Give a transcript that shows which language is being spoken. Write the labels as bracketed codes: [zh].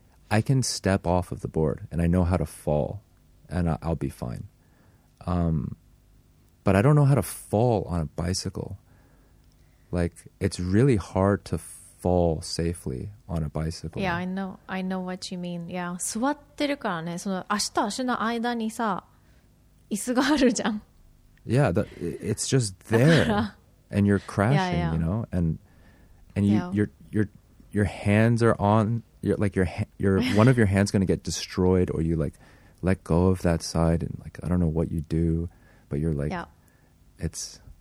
[en] I can step off of the board and I know how to fall and I'll be fine. But I don't know how to fall on a bicycle. Like, it's really hard to fall safely on a bicycle. Yeah, I know what you mean. Yeah, [ja] 座ってるからね。その足と足の間にさ、椅子があるじゃん。 [en] Yeah, it's just there. And you're crashing, yeah, yeah. you know? And your hands are on, you're, like you're, one of your hands going to get destroyed, or you like let go of that side and like, I don't know what you do, but you're like, it's...